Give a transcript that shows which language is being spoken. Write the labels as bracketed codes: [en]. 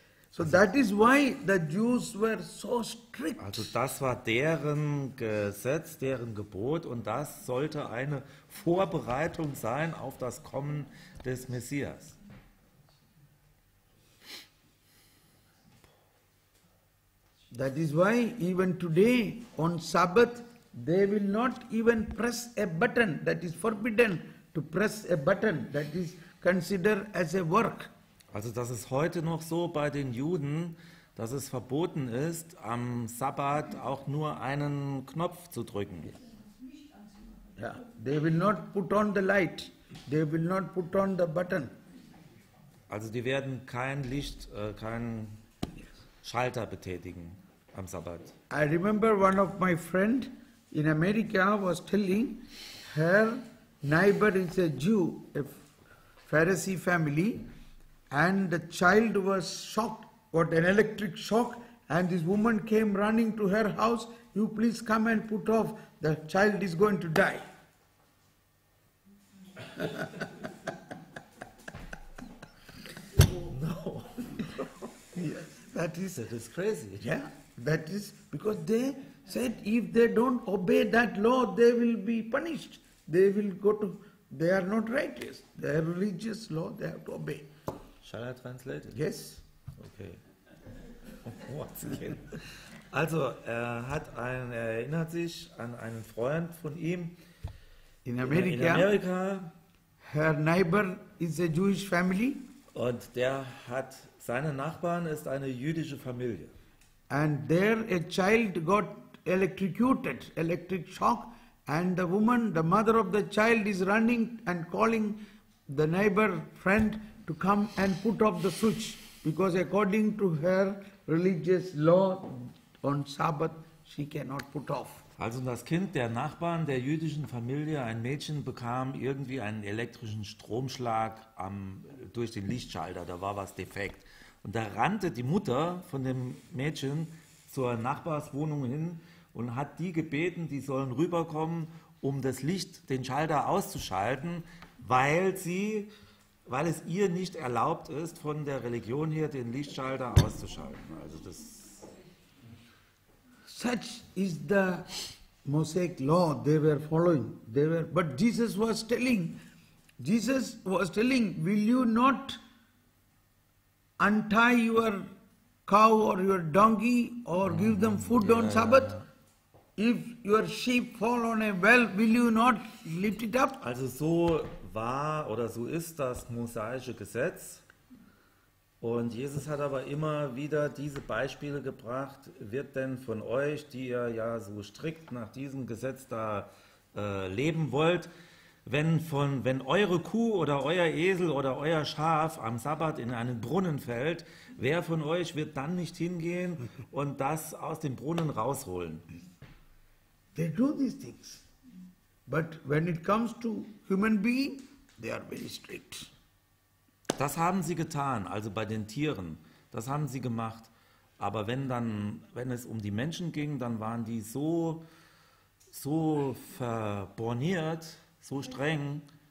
[en] So that is why the Jews were so strict. [de] Also das war deren Gesetz, deren Gebot, und das sollte eine Vorbereitung sein auf das Kommen des Messias. [en] That is why even today on Sabbath they will not even press a button, that is forbidden to press a button, that is considered as a work. [de] Also das ist heute noch so bei den Juden, dass es verboten ist, am Sabbat auch nur einen Knopf zu drücken. [en] Yeah. They will not put on the light. They will not put on the button. [de] Also die werden kein Licht, keinen Schalter betätigen am Sabbat. [en] I remember one of my friend in America was telling, her neighbor is a Jew, a Pharisee family. And the child was shocked, what an electric shock, and this woman came running to her house, you please come and put off, the child is going to die. No. Yes, that is. That is crazy. Yeah, that is, because they said if they don't obey that law, they will be punished. They will go to, they are not righteous, they are religious law, they have to obey. Shall I translate it? Yes. Okay. Once again. [de] Also, er erinnert sich an einen Freund von ihm in Amerika. In Amerika. [en] Her neighbor is a Jewish family. [de] Und der hat, seine Nachbarn ist eine jüdische Familie. [en] And there a child got electrocuted, electric shock, and the woman, the mother of the child is running and calling the neighbor friend to come and put off the switch, because according to her religious law on Sabbath she cannot put off. [de] Also das Kind der Nachbarn der jüdischen Familie, ein Mädchen, bekam irgendwie einen elektrischen Stromschlag durch den Lichtschalter, da war was defekt, und da rannte die Mutter von dem Mädchen zur Nachbarswohnung hin und hat die gebeten, die sollen rüberkommen, um das Licht, den Schalter auszuschalten, weil es ihr nicht erlaubt ist, von der Religion her den Lichtschalter auszuschalten. Also das. [en] Such is the Mosaic law they were following. They were, but Jesus was telling, will you not untie your cow or your donkey or give them food on Sabbath? Yeah. If your sheep fall on a well, will you not lift it up? [de] Also so war oder so ist das mosaische Gesetz. Und Jesus hat aber immer wieder diese Beispiele gebracht. Wird denn von euch, die ihr ja so strikt nach diesem Gesetz da leben wollt, wenn eure Kuh oder euer Esel oder euer Schaf am Sabbat in einen Brunnen fällt, wer von euch wird dann nicht hingehen und das aus dem Brunnen rausholen? [en] They do these things, but when it comes to human being, they are very strict. [de] Das haben sie getan, also bei den Tieren. Das haben sie gemacht. Aber wenn es um die Menschen ging, dann waren die so verborniert, so streng.